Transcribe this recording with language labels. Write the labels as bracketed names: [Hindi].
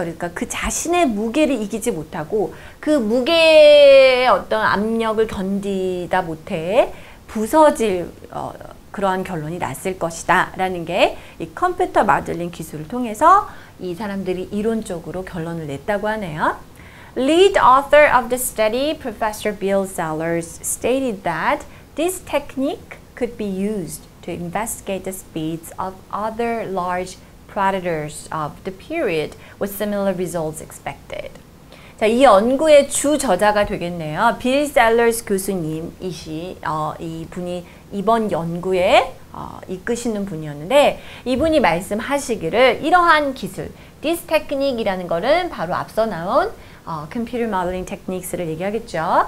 [Korean] 그러니까 그 자신의 무게를 이기지 못하고 그 무게의 어떤 압력을 견디다 못해 부서질 그러한 결론이 났을 것이다 라는 게 이 컴퓨터 마들링 기술을 통해서 이 사람들이 이론적으로 결론을 냈다고 하네요. [English] Lead author of the study, Professor Bill Sellers, stated that this technique could be used to investigate the speeds of other large predators of the period with similar results expected. [Korean] 자, 이 연구의 주 저자가 되겠네요. 빌 셀러스 교수님이시 이 분이 이번 연구에 이끄시는 분이었는데 이분이 말씀하시기를 이러한 기술, [English] this technique [Korean] 이라는 거는 바로 앞서 나온 [English] computer modeling techniques [Korean] 를 얘기하겠죠.